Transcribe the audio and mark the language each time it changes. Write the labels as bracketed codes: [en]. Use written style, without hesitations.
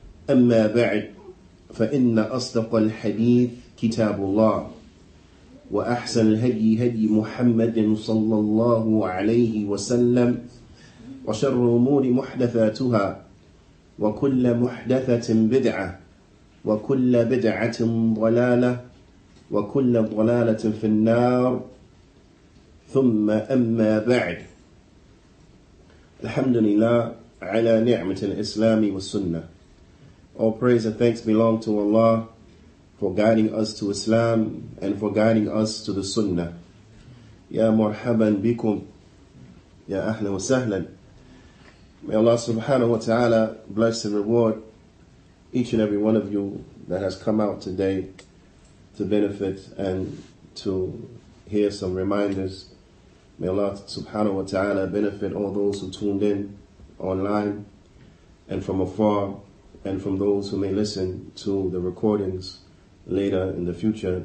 [ar] أما بعد فإن أصدق الحديث كتاب الله وأحسن الهدي هدي محمد صلى الله عليه وسلم وشر الأمور محدثاتها وكل محدثة بدعة وكل بدعة ضلالة وكل ضلالة في النار ثم أما بعد الحمد لله على نعمة الإسلام والسنة. [en] All praise and thanks belong to Allah for guiding us to Islam and for guiding us to the Sunnah. [ar] يا مرحبا بكم يا أهلا وسهلا. [en] May Allah subhanahu wa ta'ala bless and reward each and every one of you that has come out today to benefit and to hear some reminders. May Allah subhanahu wa ta'ala benefit all those who tuned in online and from afar and from those who may listen to the recordings later in the future.